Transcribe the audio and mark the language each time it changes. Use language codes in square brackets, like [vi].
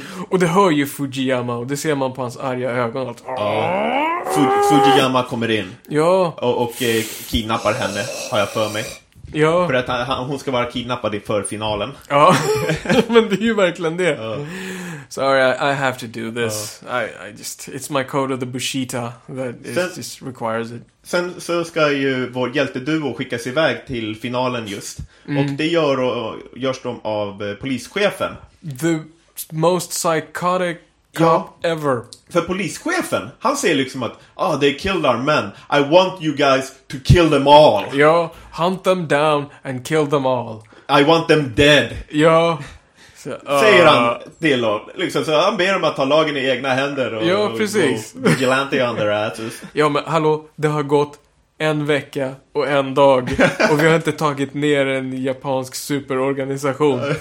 [sv] Och det hör ju Fujiyama och det ser man på hans arga ögon. Att, ja. Fujiyama kommer in. Ja. Och kidnappar henne, har jag för mig. Ja. För att hon ska vara kidnappad i förfinalen. Ja, men det är ju verkligen det. [en] Ja. Sorry, I have to do this. I just, it's my code of the Bushita that just requires it. [sv] Sen så ska ju vår hjälteduo skickas iväg till finalen just. Mm. Och det görs de av polischefen. [en] The most psychotic cop ever. [sv] För polischefen, han säger liksom att [en] they killed our men. I want you guys to kill them all. Ja, hunt them down and kill them all. I want them dead. [sv] Ja. Säger han till dem liksom, så han ber dem att ta lagen i egna händer och, ja, precis. Och [en] vigilante on their asses. [sv] Ja, men hallå, det har gått en vecka och en dag och vi har inte tagit ner en japansk superorganisation.